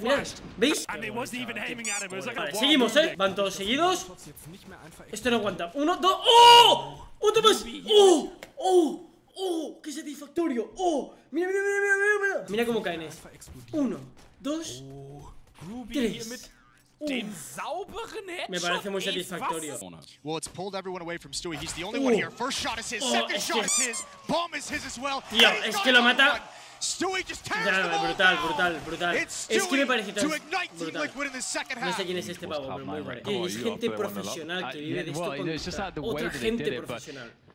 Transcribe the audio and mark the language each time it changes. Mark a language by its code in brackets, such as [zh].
[es] Mirad, ¿veis? Vale, seguimos, ¿eh? Van todos seguidos. Esto no aguanta. Uno, dos. ¡Oh! ¡Otro más! ¡Oh! ¡Oh! ¡Oh! ¡Qué satisfactorio! ¡Oh! ¡Mira! Mira cómo caen es. Uno, dos, tres. Me parece muy satisfactorio. [en] Well, it's pulled everyone away from Stewie. He's the only one here. First shot is his, second shot is his. Bomb is his as well. [es] Tío, es que lo mata. Nada, brutal. Es que me parece tan brutal. No sé quién es este pavo, pero muy bueno. Tío, es gente profesional que vive de esto con otra gente profesional.